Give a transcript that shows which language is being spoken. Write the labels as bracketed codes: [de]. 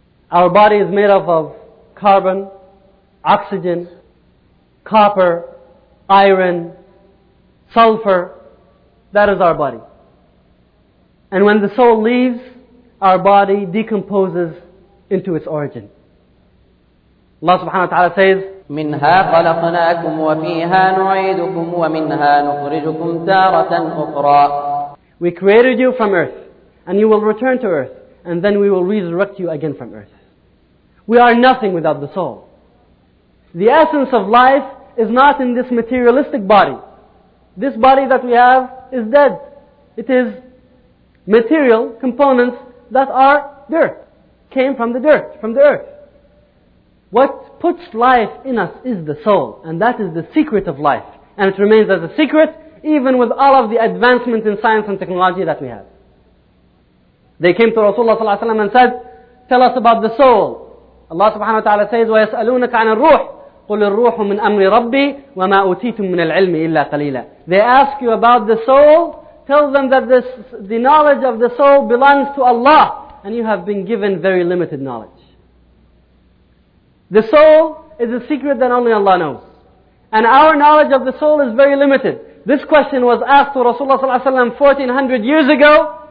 [en] Our body is made up of carbon, oxygen, copper, iron, sulfur. That is our body. And when the soul leaves, our body decomposes into its origin. Allah subhanahu wa ta'ala says, [ar] منها خلقناكم وفيها نعيدكم ومنها نخرجكم تارة أخرى. [en] We created you from earth, and you will return to earth, and then we will resurrect you again from earth. We are nothing without the soul. The essence of life is not in this materialistic body. This body that we have is dead. It is material components that are dirt, came from the dirt, from the earth. What puts life in us is the soul, and that is the secret of life. And it remains as a secret, even with all of the advancements in science and technology that we have. They came to Rasulullah ﷺ and said, tell us about the soul. Allah subhanahu wa ta'ala says, [ar] وَيَسْأَلُونَكَ عَنَ الْرُوحِ قُلِ الْرُوحُ مِنْ أَمْرِ رَبِّي وَمَا أُوتِيتُم مِّنَ الْعِلْمِ إِلَّا قَلِيلًا. [en] They ask you about the soul, tell them that this, the knowledge of the soul belongs to Allah, and you have been given very limited knowledge. The soul is a secret that only Allah knows. And our knowledge of the soul is very limited. This question was asked to Rasulullah sallallahu alaihi wasallam 1400 years ago.